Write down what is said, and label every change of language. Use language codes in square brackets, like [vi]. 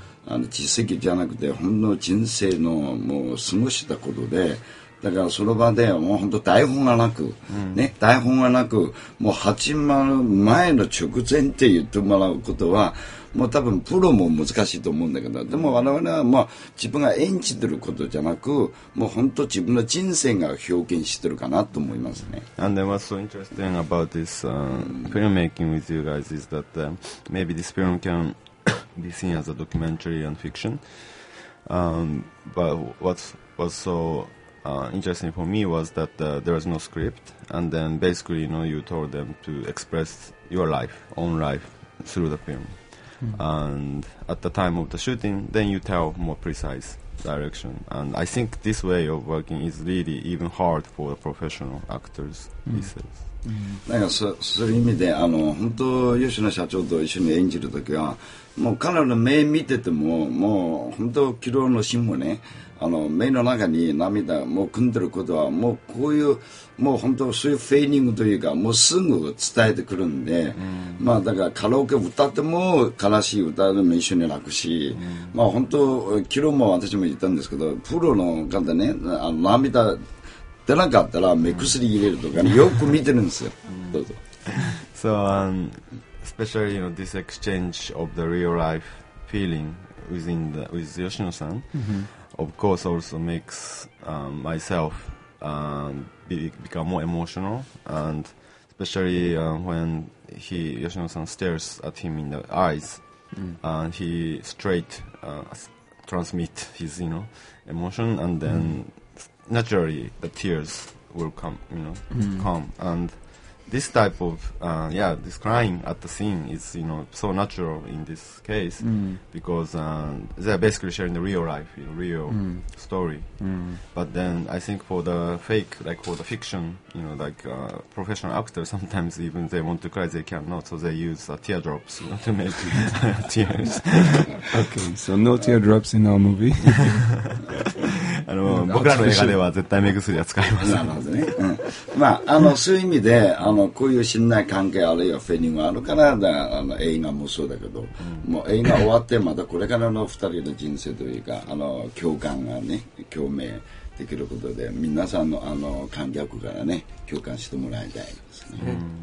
[ja] あの実績じゃなくて本当人生のもう過ごしたことで、だからその場でもう本当台本がなく、ね、台本がなく、もう始まる前の直前って言ってもらうことはもう多分プロも難しいと思うんだけど、でも我々はまあ自分が演じてることじゃなく、もう本当自分の人生が表現してるかなと思いますね。 [en] And then what's so interesting about this filmmaking with you guys is that maybe this film can be seen as a documentary and fiction, but what's sointeresting for me was that there was no script, and then basically, you know, you told them to express your life, own life, through the film. And at the time of the shooting, then you tell more precise direction. And I think this way of working is really even hard for the professional actors, he says. [ja] なんかそういう意味で、あの本当吉野社長と一緒に演じるときはもう彼らの目見てても、もう本当キロのシーンもね、あの目の中に涙もう汲んでることはもうこういうもう本当そういうフェーニングというか、もうすぐ伝えてくるんで、まあだからカラオケ歌っても悲しい歌でも一緒に泣くし、まあ本当キロも私も言ったんですけど、プロの方でね、あの涙出なかったら目薬入れるとかよく見てるんですよ。どうぞ。 [en] So, especially you know, this exchange of the real life feeling within the, with Yoshino-san, of course also makes myself become more emotional, and especially when he, Yoshino-san stares at him in the eyes, and he straight transmit his, you know, emotion, and then naturally, the tears will come, you know, come. And this type of, yeah, this crying at the scene is, you know, so natural in this case, because they're basically sharing the real life, you know, real story. But then I think for the fake, like for the fiction, you know, like professional actors, sometimes even they want to cry, they cannot, so they use teardrops, you know, to make tears. Okay, so no teardrops in our movie. [ja] あの僕らの映画では絶対目薬は使いません。なるほどね。まあ、あのそういう意味で、あのこういう信頼関係あるいはフェニングあるから、だあの映画もそうだけど、もう映画終わってまたこれからの2人の人生というか、あの共感がね、共鳴できることで皆さん の、 あの観客からね、共感してもらいたいですね。